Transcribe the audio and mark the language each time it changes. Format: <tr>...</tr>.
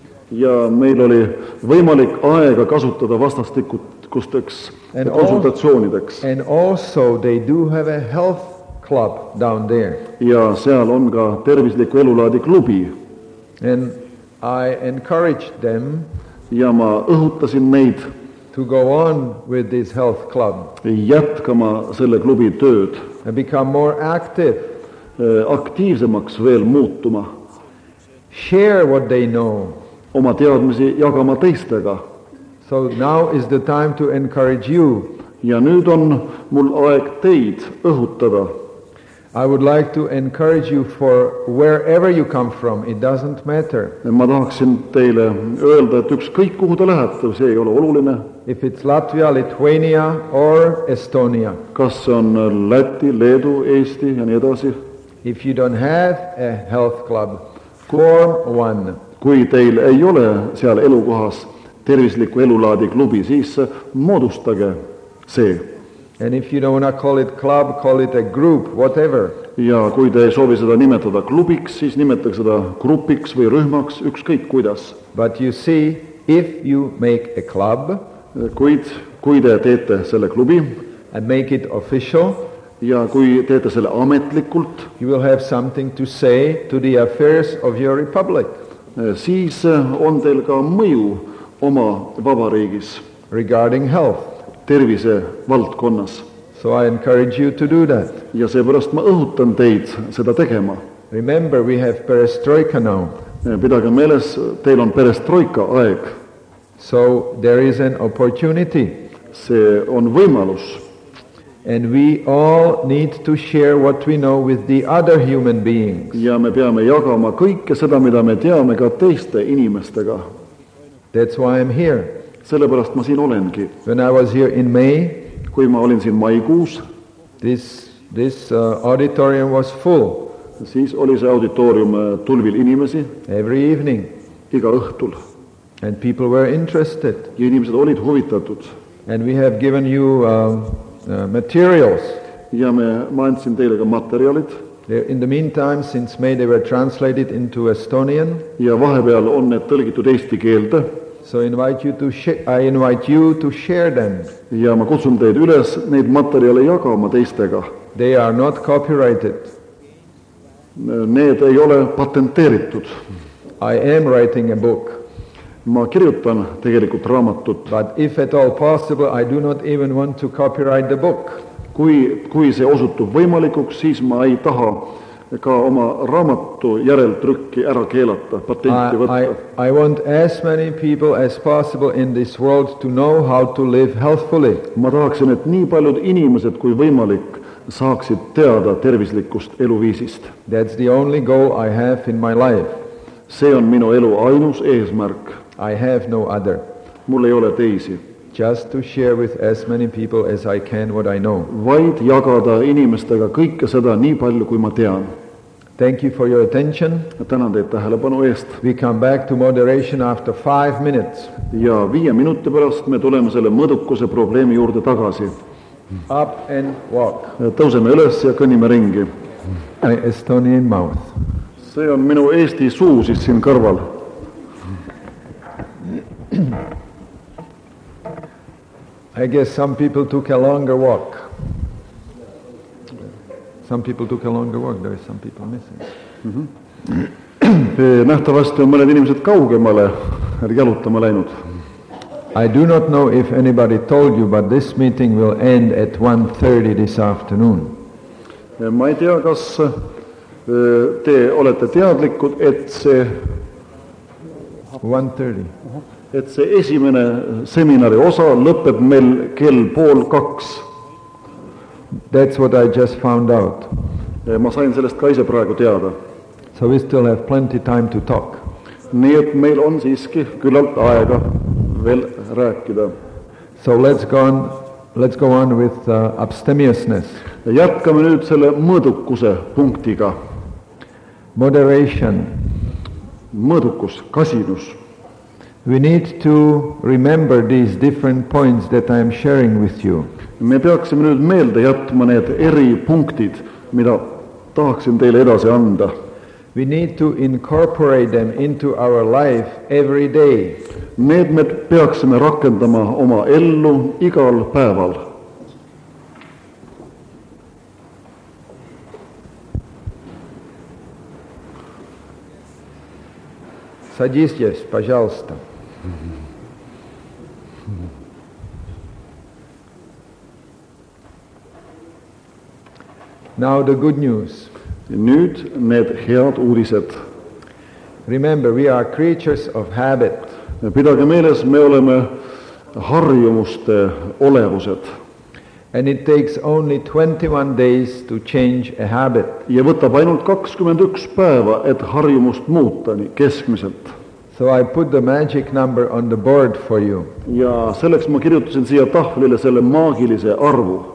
<et>Ja meil oli võimalik aega kasutada vastastikusteks konsultatsioonideks.</et> <en>And also they do have a health club down there.</en> <et>Ja seal on ka tervisliku elulaadi klubi.</et> <en>And I encouraged them.</en> <et>Ja ma õhutasin neid</et> <en>to go on with this health club.</en> <et>Jätkama selle klubi tööd.</et> <en>And become more active.</en> <et>Aktiivsemaks veel muutuma.</et> <en>Share what they know.</en> <et>Oma teadmisi jagama teistega.</et> <en>So now is the time to encourage you.</en> <et>Ja nüüd on mul aeg teid õhutada.</et> <en>I would like to encourage you for wherever you come from, it doesn't matter.</en> <et>Ma tahaksin teile öelda, et ükskõik kuhu te lähete, see ei ole oluline.</et> <en>If it's Latvia, Lithuania or Estonia.</en> <et>Kas on Läti, Leedu, Eesti ja nii edasi.</et> <en>If you don't have a health club, form one.</en> <et>Kui teil ei ole seal elukohas tervisliku elulaadi klubi, siis moodustage see.</et> <en>And if you don't want to call it club, call it a group, whatever.</en> <et>Ja kui te ei soovi seda nimetada klubiks, siis nimetage seda grupiks või rühmaks, ükskõik kuidas.</et> <en>But you see, if you make a club,</en> <et>kui te teete selle klubi,</et> <en>and make it official,</en> <et>ja kui teete selle ametlikult,</et> <en>you will have something to say to the affairs of your republic.</en> <et>Siis on teil ka mõju oma vabariigis.</et> <en>Regarding health.</en> <et>Tervise valdkonnas.</et> <en>So I encourage you to do that.</en> <et>Ja seepärast ma õhutan teid seda tegema.</et> <en>Remember, we have perestroika now.</en> <et>Pidage meeles, teil on perestroika aeg.</et> <en>So there is an opportunity.</en> <et>See on võimalus.</et> <en>And we all need to share what we know with the other human beings.</en> <et>Ja me peame jagama kõike seda, mida me teame ka teiste inimestega.</et> <en>That's why I'm here.</en> <et>Sellepärast ma siin olenki.</et> <en>When I was here in May,</en> <et>kui ma olin siin maikuus,</et> <en>this auditorium was full.</en> <et>Siis oli see auditorium tulvil inimesi.</et> <en>Every evening.</en> <et>Iga õhtul.</et> <en>And people were interested.</en> <et>Ja inimesed olid huvitatud.</et> <en>And we have given you materials.</en> <et>Ja ma andsin teile ka materjalid.</et> <en>In the meantime, since May, they were translated into Estonian.</en> <et>Ja vahepeal on need tõlgitud eesti keelde.</et> <en>So I invite you to share them.</en> <et>Ja ma kutsun teid üles neid materjale jagama teistega.</et> <en>They are not copyrighted.</en> <et>Need ei ole patenteeritud.</et> <en>I am writing a book.</en> <et>Ma kirjutan tegelikult raamatut.</et> <en>But if at all possible, I do not even want to copyright the book.</en> <et>Kui see osutub võimalikuks, siis ma ei taha ka oma raamatu järeltrükki ära keelata, patenti võtta.</et> <en>I want as many people as possible in this world to know how to live healthfully.</en> <et>Ma tahaksin, et nii paljud inimesed kui võimalik saaksid teada tervislikust eluviisist.</et> <en>That's the only goal I have in my life.</en> <et>See on minu elu ainus eesmärk.</et> <en>I have no other.</en> <et>Mul ei ole teisi.</et> <en>Just to share with as many people as I can what I know.</en> <et>Vaid jagada inimestega kõike seda nii palju kui ma tean.</et> <en>Thank you for your attention.</en> <et>Tänan teid tähelepanu eest.</et> <en>We come back to moderation after 5 minutes.</en> <et>Ja 5 minuti pärast me tuleme selle mõdukuse probleemi juurde tagasi.</et> <en>Up and walk.</en> <et>Tõuseme üles ja kõnnime ringi.</et> <en>My Estonian mouth.</en> <et>See on minu Eesti suu siis siin kõrval.</et> <en>I guess some people took a longer walk. Some people took a longer walk. There is some people missing.</en> <et>Nähtavasti on mõned inimesed kaugemale jalutama läinud.</et> <en>I do not know if anybody told you, but this meeting will end at 1:30 this afternoon.</en> <et>Ma ei tea, kas te olete teadlikud, et see</et> <en>1:30.</en> <et>Et see esimene seminari osa lõpeb meil kell 1:30.</et> <en>That's what I just found out.</en> <et>Ma sain sellest ka ise praegu teada.</et> <en>So we still have plenty time to talk.</en> <et>Nii et meil on siiski küllalt aega veel rääkida.</et> <en>So let's go on with abstemiousness.</en> <et>Jätkame nüüd selle mõõdukuse punktiga.</et> <en>Moderation.</en> <et>Mõõdukus, kasinus.</et> <en>We need to remember these different points that I am sharing with you.</en> <et>Me peaksime nüüd meelde jätma need eri punktid, mida tahaksin teile edasi anda.</et> <en>We need to incorporate them into our life every day.</en> <et>Need me peaksime rakendama oma ellu igal päeval. Sadistjes, пожалуйста.</et> <en>Now the good news.</en> <et>Nüüd need head uudised.</et> <en>Remember, we are creatures of habit.</en> <et>Pidage meeles, me oleme harjumuste olevused.</et> <en>And it takes only 21 days to change a habit.</en> <et>Ja võtab ainult 21 päeva, et harjumust muuta nii keskmiselt.</et> <en>So I put the magic number on the board for you.</en> <et>Ja selleks ma kirjutasin siia tahvlile selle maagilise arvu.</et>